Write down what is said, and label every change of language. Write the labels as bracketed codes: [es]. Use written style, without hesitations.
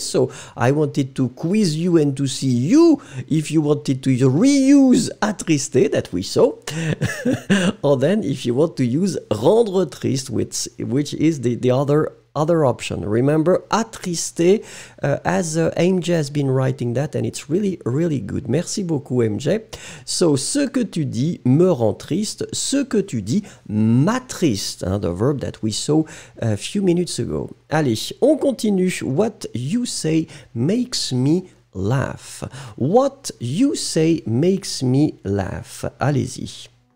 [en] So I wanted to quiz you and to see you if you wanted to reuse attristé that we saw. Or then if you want to use rendre triste, which is the other option. Remember, attristé, as MJ has been writing that, and it's really, really good. [fr] Merci beaucoup, MJ. So, ce que tu dis me rend triste. Ce que tu dis m'attriste. [en] Hein, the verb that we saw a few minutes ago. [fr] Allez, on continue. [en] What you say makes me laugh. What you say makes me laugh. Allez-y.